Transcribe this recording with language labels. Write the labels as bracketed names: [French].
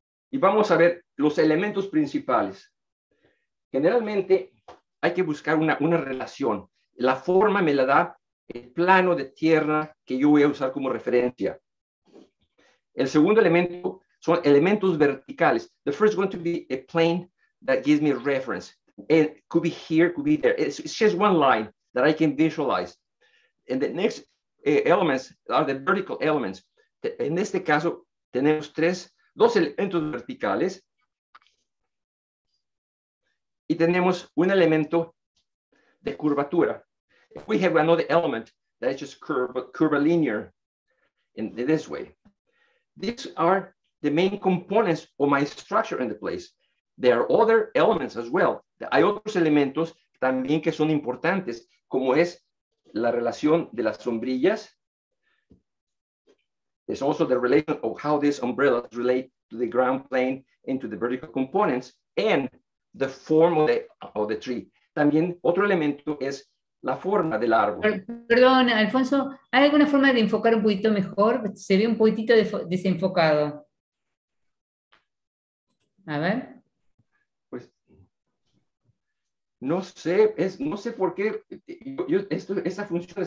[Spanish] Y vamos a ver los elementos principales. Generalmente hay que buscar una relación. La forma me la da el plano de tierra que yo voy a usar como referencia. El segundo elemento son elementos verticales. [English] The first is going to be a plane that gives me a reference. It could be here, could be there. It's just one line that I can visualize. And the next elements are the vertical elements. [Spanish] En este caso, tenemos dos elementos verticales. Y tenemos un elemento de curvatura. [English] If we have another element that is just curvilinear in this way. These are the main components of my structure in the place. There are other elements as well. [Spanish] Hay otros elementos también que son importantes, como es la relación de las sombrillas. [English] There's also the relation of how these umbrellas relate to the ground plane and to the vertical components and the form of the tree. [Spanish] También otro elemento es la forma del árbol. Perdón, Alfonso, ¿hay alguna forma de enfocar un poquito mejor? Se ve un poquitito desenfocado. A ver. Pues, no sé, no sé por qué. Esa función